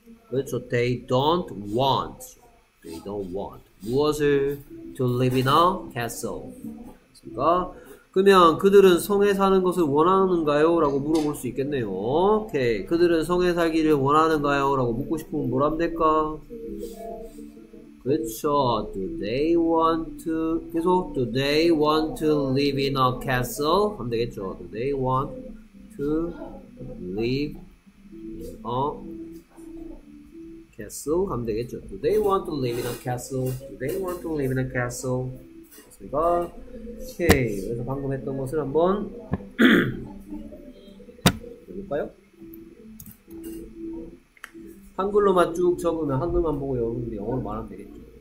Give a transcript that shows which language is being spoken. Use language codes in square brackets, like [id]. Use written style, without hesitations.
[ko] 그렇죠. [en] They don't want. They don't want. [ko] 무엇을? [en] To live in a castle. [ko] 그러니까 그러면 그들은 성에 사는 것을 원하는가요? 라고 물어볼 수 있겠네요. 오케이. 그들은 성에 살기를 원하는가요? 라고 묻고 싶으면 뭐라 하면 될까? 그렇죠. [en] Do they want to live in a castle? [ko] 하면 되겠죠. [en] Do they want to live in a castle? [ko] 하면 되겠죠. [en] Do they want to live in a castle? Do they want to live in a castle? [ko] 맞습니다. 오케이. 그래서 방금 했던 것을 한번 볼까요? 한글로만 쭉 적으면 한글만 보고 여러분들이 영어로 말하면 되겠죠.